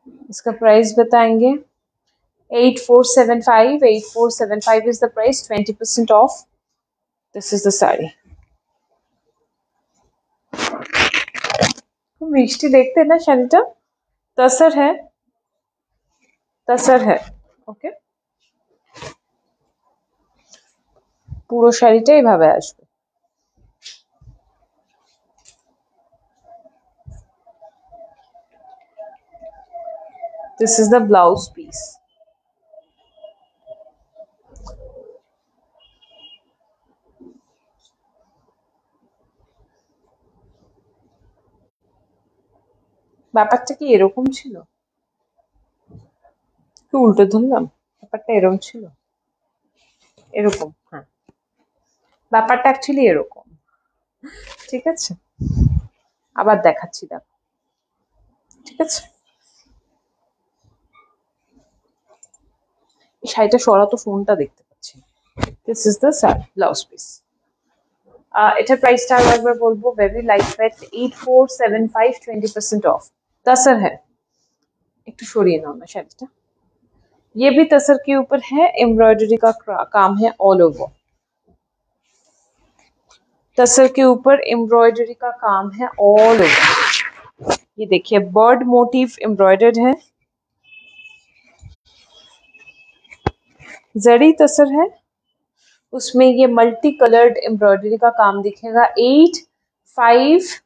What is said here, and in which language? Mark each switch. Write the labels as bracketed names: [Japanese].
[Hindi] इसका प्राइस बताएंगे, 8475, 8475 [English] is the price, [Hindi] 20% of. [English] this is the sari, [Hindi] मिष्टी देखते हैं ना शनिता, तसर है, तसर है। [Bangla] ओके, पूरा शरीरটা এইভাবে আসবে। [English] this is the blouse piece, [Bangla] ব্যাপারটা কি এরকম ছিল, উল্টো ধরলাম, ব্যাপারটা এরকম ছিল, এরকম, হ্যাঁ ব্যাপারটা অ্যাকচুয়ালি এরকম। ঠিক আছে, আবার দেখাচ্ছি, দেখো। ঠিক আছে, শাড়িটা সরা তো ফোনটা দেখতে পাচ্ছি। [English] this is the sir blouse piece, [Bangla] এটার প্রাইসটা আর একবার বলবো, [English] very light weight, [Bangla] 8475, 20% অফ। [Hindi] तसर है, एक तो छोड़िए ना मैं शायद, ये भी तसर के ऊपर है, एम्ब्रॉयडरी का काम है ऑल ओवर, तसर के ऊपर एम्ब्रॉयडरी का काम है ऑल ओवर। ये देखिए बर्ड मोटिफ एम्ब्रॉयडर्ड है, जरी तसर है, उसमें ये मल्टी कलर्ड एम्ब्रॉयडरी का काम दिखेगा। 8575,